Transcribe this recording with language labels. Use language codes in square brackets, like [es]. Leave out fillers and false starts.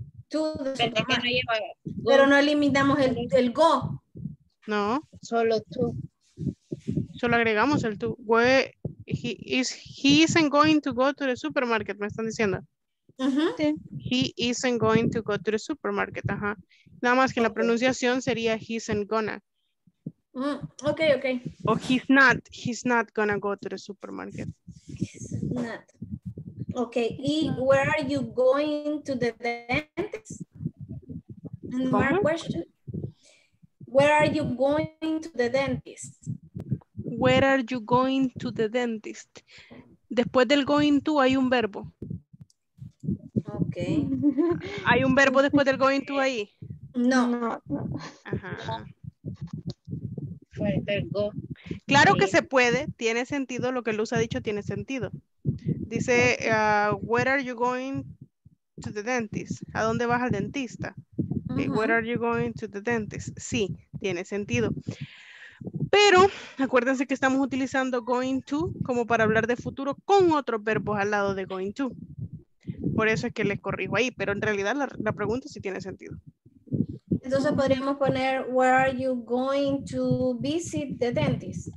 [en] To the supermarket. [es] Pero no eliminamos el go. No. Solo to. Solo agregamos el to. [en] Where he isn't going to go to the supermarket, [es] me están diciendo. Uh-huh. [en] He isn't going to go to the supermarket. Ajá. [es] Nada más que la pronunciación sería [en] he isn't gonna. Okay. Oh, he's not gonna go to the supermarket. He's not. Okay, where are you going to the dentist? And more question. Where are you going to the dentist? Where are you going to the dentist? [es] Después del going to hay un verbo. [en] Ok. [es] ¿Hay un verbo después del going to ahí? No. Ajá. [en] Go. [es] Claro que se puede, tiene sentido, lo que Luz ha dicho tiene sentido. Dice, [en] where are you going to the dentist? [es] ¿A dónde vas al dentista? [en] Uh-huh. Where are you going to the dentist? [es] Sí, tiene sentido. Pero, acuérdense que estamos utilizando going to como para hablar de futuro con otros verbos al lado de going to. Por eso es que les corrijo ahí, pero en realidad la pregunta sí tiene sentido. Entonces podríamos poner, [en] where are you going to visit the dentist?